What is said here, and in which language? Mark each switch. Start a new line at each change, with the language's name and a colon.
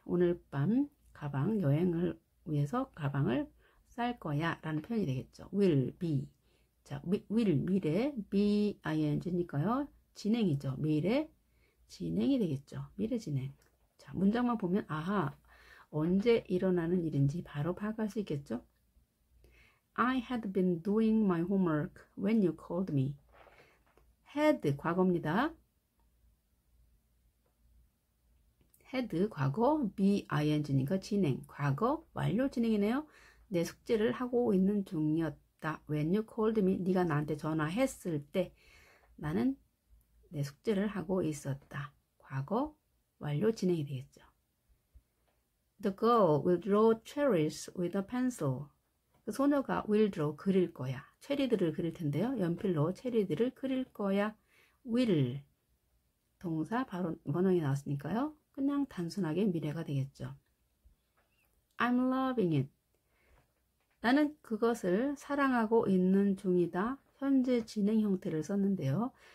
Korean: 오늘 밤 가방 여행을 위해서 가방을 쌀 거야 라는 표현이 되겠죠. will be. 자, will 미래, be ing니까요. 진행이죠. 미래. 진행이 되겠죠. 미래 진행. 자, 문장만 보면, 아하, 언제 일어나는 일인지 바로 파악할 수 있겠죠?
English: I had been doing my homework when you called me.
Korean: had, 과거입니다. had, 과거, be, ing니까 진행. 과거, 완료 진행이네요. 내 숙제를 하고 있는 중이었다.
English: When you called me,
Korean: 네가 나한테 전화했을 때 나는 내 숙제를 하고 있었다. 과거, 완료, 진행이 되겠죠.
English: The girl will draw cherries with a pencil.
Korean: 그 소녀가 will draw, 그릴 거야. 체리들을 그릴 텐데요. 연필로 체리들을 그릴 거야. will. 동사 바로 원형이 나왔으니까요. 그냥 단순하게 미래가 되겠죠.
English: I'm loving it.
Korean: 나는 그것을 사랑하고 있는 중이다. 현재 진행 형태를 썼는데요.